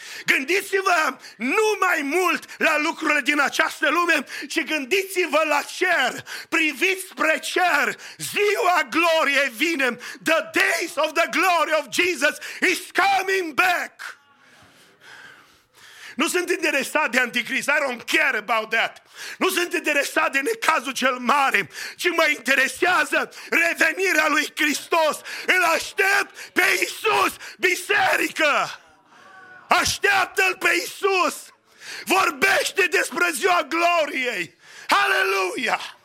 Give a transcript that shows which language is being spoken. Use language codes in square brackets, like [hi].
[ro] Gândiți-vă nu mai mult la lucrurile din această lume, ci gândiți-vă la cer, priviți spre cer, ziua gloriei vine, [en] the days of the glory of Jesus is coming back. [ro] Nu sunt interesat de anticrist, [en] I don't care about that. [ro] Nu sunt interesat de necazul cel mare, ci mă interesează revenirea lui Hristos. Îl aștept pe Iisus, biserică! Așteaptă-L pe Iisus! Vorbește despre ziua gloriei! Aleluia!